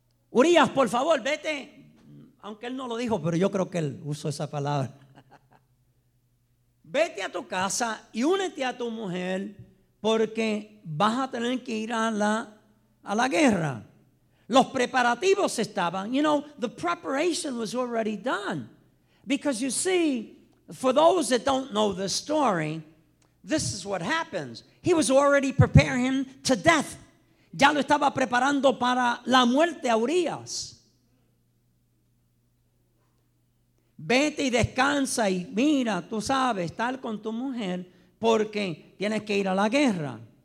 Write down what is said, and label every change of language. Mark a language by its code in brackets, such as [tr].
[es] Urías, por favor, vete. Aunque él no lo dijo, pero yo creo que él usó esa palabra. Vete a tu casa y únete a tu mujer, porque vas a tener que ir a la guerra. Los preparativos estaban, [en] you know, the preparation was already done. Because you see, for those that don't know the story, this is what happens. He was already preparing him to death. [es] Ya lo estaba preparando para la muerte a Urías. Vete y descansa y mira, tú sabes, estar con tu mujer porque tienes que ir a la guerra.